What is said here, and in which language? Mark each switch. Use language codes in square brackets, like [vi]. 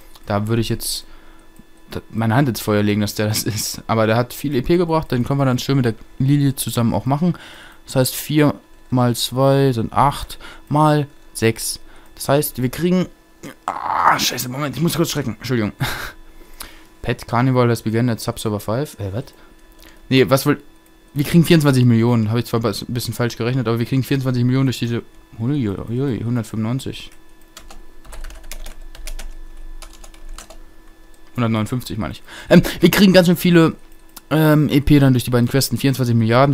[de] Da würde ich jetzt meine Hand ins Feuer legen, dass der das ist. Aber der hat viel EP gebracht, den können wir dann schön mit der Lilie zusammen auch machen. Das heißt 4 mal 2 sind 8 mal 6. Das heißt, wir kriegen... Ah, scheiße, Moment, ich muss kurz schrecken. Entschuldigung. [en] Pet Carnival has begun at Subserver 5. [de] Was? Nee, was wohl... Wir kriegen 24 Millionen. Habe ich zwar ein bisschen falsch gerechnet, aber wir kriegen 24 Millionen durch diese... Uiuiui, 195. 159 meine ich. Wir kriegen ganz schön viele EP dann durch die beiden Questen. 24 Milliarden.